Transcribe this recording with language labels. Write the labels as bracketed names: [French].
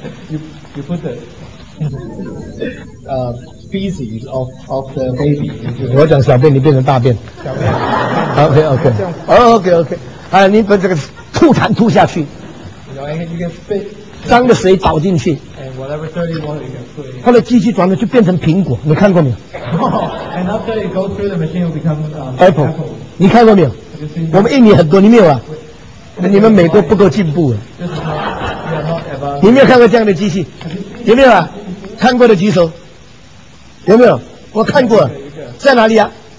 [English] you put the feces of the baby [Chinese] 我讲小便你变成大便小便 OK OK OK OK、你把这个吐痰吐下去 [English] you know, you can spit, [Chinese] 脏的水倒进去 [English] and whatever dirty water you can put [Chinese] 后来机器转了就变成苹果你看过没有、 [English] oh, and after it goes through the machine it will become Apple [Chinese] 你看过没有？我们印尼很多，你没有啊？你们美国不够进步啊！你没有看过这样的机器？有没有啊？看过的举手。有没有？我看过，在哪里啊？